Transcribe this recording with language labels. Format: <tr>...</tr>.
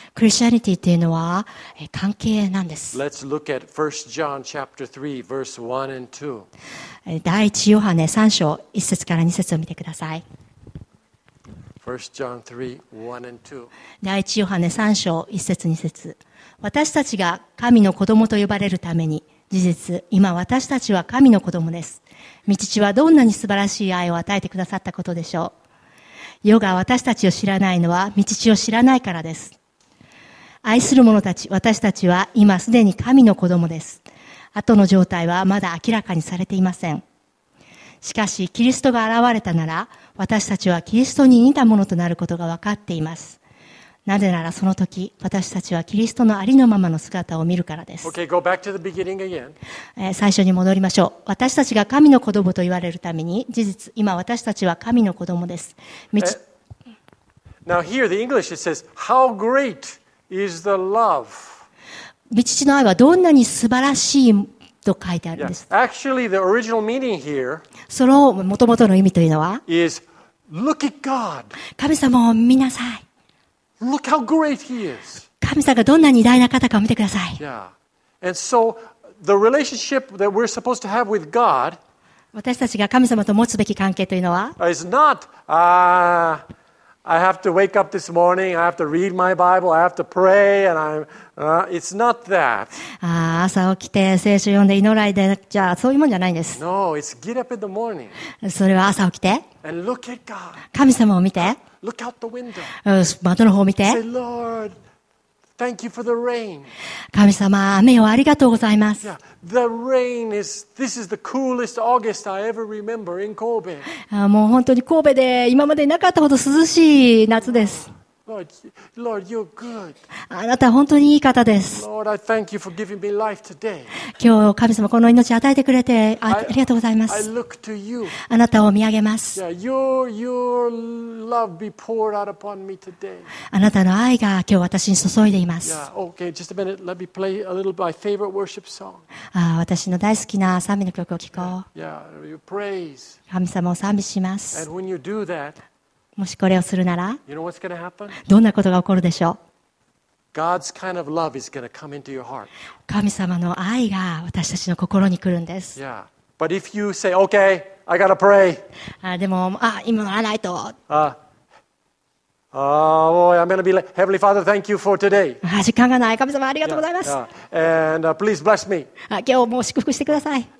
<ja>クリスチャニティというのは関係なんです。</ja> <en>Let's look at 1 John chapter 3, verse 1 and 2.</en> <ja>第一ヨハネ3章1節から2節を見てください。</ja> <en>1 John 3, 1 and 2.</en> <ja>第一ヨハネ3章1節2節。私たちが神の子供と呼ばれるために、事実、今私たちは神の子供です。御父はどんなに素晴らしい愛を与えてくださったことでしょう。世が私たちを知らないのは御父を知らないからです。愛する者たち、私たちは今すでに神の子供です。後の状態はまだ明らかにされていません。しかしキリストが現れたなら、私たちはキリストに似たものとなることが分かっています。なぜならその時、私たちはキリストのありのままの姿を見るからです。</ja> <en>Okay, go back to the beginning again.</en> <ja>最初に戻りましょう。私たちが神の子供と言われるために、事実、今私たちは神の子供です。</ja> <en>Now here, the English it says, how great is the love?</en> <ja>御父の愛はどんなに素晴らしいと書いてあるんです。</ja> <en>Yeah. Actually, the original meaning here,</en> <ja>そのもともとの意味というのは、</ja> <en>is, look at God.</en> <ja>神様を見なさい。</ja> <en>Look how great he is.</en> <ja>神様がどんなに偉大な方かを見てください。</ja> <en>Yeah. And so, the relationship that we're supposed to have with God,</en> <ja>私たちが神様と持つべき関係というのは、</ja> <en>is not, I have to wake up this morning, I have to read my Bible, I have to pray, and I'm, it's not that.</en> <ja>朝起きて聖書読んで祈らいで、じゃあそういうもんじゃないんです。</ja> <en>No, it's get up in the morning.</en> <ja>それは朝起きて、</ja> <en>and look at God.</en> <ja>神様を見て、</ja> <en>Look out the window.</en> <ja>窓の方を見て、</ja> <en>Say, Lord, thank you for the rain.</en> <ja>神様、雨をありがとうございます。</ja> <en>Yeah, the rain is, this is the coolest August I ever remember in Kobe.</en> <ja>もう本当に神戸で今までなかったほど涼しい夏です。</ja> <en>Lord, you're good.</en> <ja>あなた本当にいい方です。</ja> <en>Lord, I thank you for giving me life today.</en> <ja>今日神様この命与えてくれてありがとうございます。</ja> <en>I look to you.</en> <ja>あなたを見上げます。</ja> <en>Yeah, your love be poured out upon me today.</en> <ja>あなたの愛が今日私に注いでいます。</ja> <en>Yeah, okay, just a minute. Let me play a little my favorite worship song.</en> <ja>私の大好きな賛美の曲を聴こう。</ja> <en>Yeah, you praise.</en> <ja>神様を賛美します。</ja> <en>And when you do that,</en> <ja>もしこれをするなら、</ja> <en>you know what's gonna happen?</en> <ja>どんなことが起こるでしょう。</ja> <en>God's kind of love is gonna come into your heart.</en> <ja>神様の愛が私たちの心に来るんです。</ja> <en>Yeah. But if you say, okay, I gotta pray.</en> <ja>でも、今のはないと。</ja> <en>I'm gonna be like, Heavenly Father, thank you for today.</en> <ja>時間がない。神様、ありがとうございます。</ja> <en>Yeah, yeah. And please bless me.</en> <ja>今日も祝福してください。</ja>